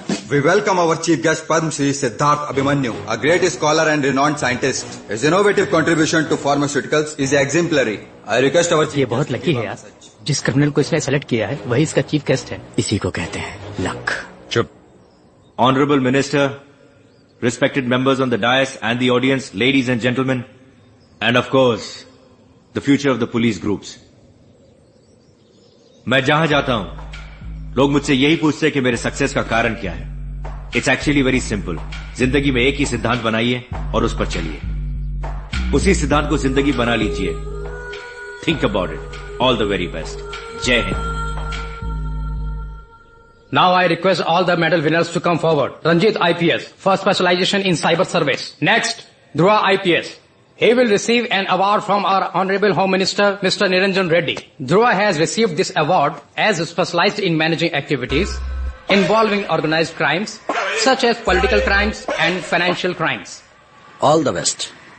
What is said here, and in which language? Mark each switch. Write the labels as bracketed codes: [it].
[en] We welcome our chief guest Padma Shri Siddharth Abhimanyu, a great scholar and renowned scientist. His innovative contribution to pharmaceuticals is exemplary. I request our [hi] chief. ये बहुत lucky है यार। जिस criminal को इसने select किया है वही इसका चीफ गेस्ट है। इसी को कहते हैं लक। चुप। [en] Honorable Minister, respected members on the dais and the audience, ladies and gentlemen, and of course, the future of the police groups. [hi] मैं जहां जाता हूं लोग मुझसे यही पूछते हैं कि मेरे सक्सेस का कारण क्या है। [en] It's actually very simple. [hi] जिंदगी में एक ही सिद्धांत बनाइए और उस पर चलिए। उसी सिद्धांत को जिंदगी बना लीजिए। [en] Think about it. All the very best. जय हिंद। Now I request all the medal winners to come forward. Ranjit IPS, first specialization in cyber service. Next Dhruva IPS. He will receive an award from our Honorable Home Minister, Mr. Niranjan Reddy. Dhruva has received this award as specialized in managing activities involving organized crimes, such as political crimes and financial crimes. All the best.